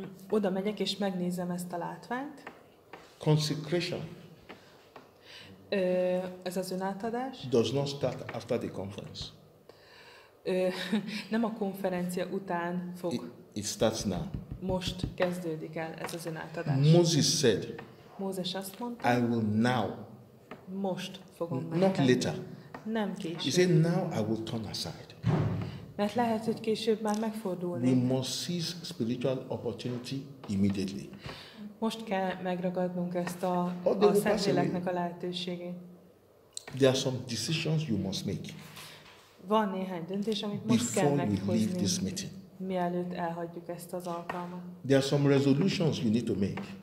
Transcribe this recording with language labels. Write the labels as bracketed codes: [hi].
[hu] Oda megyek és megnézem ezt a látványt. [en] Consecration. [hu] Ez az önátadás. [en] Does not start after the conference. [hu] Nem a konferencia után fog. [en] It starts now. [hu] Most kezdődik el ez az önátadás. [en] Moses said. [hu] Mózes azt mondta. [en] I will now. [hu] Most fogom megtenni. [en] Not later. [hu] Nem később. [en] He said, now I will turn aside. [hu] Mert lehet, hogy később már megfordulnék. [en] We must seize spiritual opportunity immediately. [hu] Most kell megragadnunk ezt a Szentléleknek a lehetőségét. [en] There are some decisions you must make. [hu] Van néhány döntés, amit most kell meghozni, mielőtt elhagyjuk ezt az alkalmat. [en] There are some resolutions you need to make.